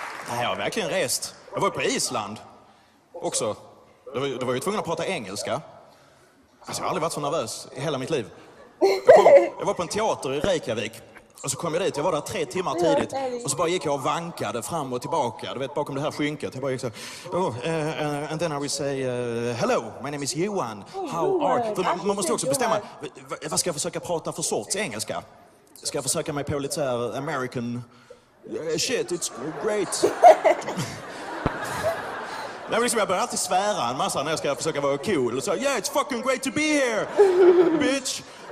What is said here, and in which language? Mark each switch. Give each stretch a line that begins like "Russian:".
Swedish: Nej, jag har verkligen rest. Jag var på Island också. Då var jag tvungen att prata engelska. Alltså, jag har aldrig varit så nervös i hela mitt liv. Jag var på en teater i Reykjavik och så kom jag dit, jag var där 3 timmar tidigt och så bara gick jag och vankade fram och tillbaka, du vet, bakom det här skynket. Jag bara gick så,
English: and then I would say, hello, my name is Johan, how are you?
Swedish: Man måste också bestämma, vad ska jag försöka prata för sorts engelska? Ska jag försöka mig på lite så här American,
English: shit, it's great.
Swedish: Nej, liksom, jag börjar alltid svära en massa när jag ska försöka vara cool. Och så,
English: yeah, it's fucking great to be here, bitch.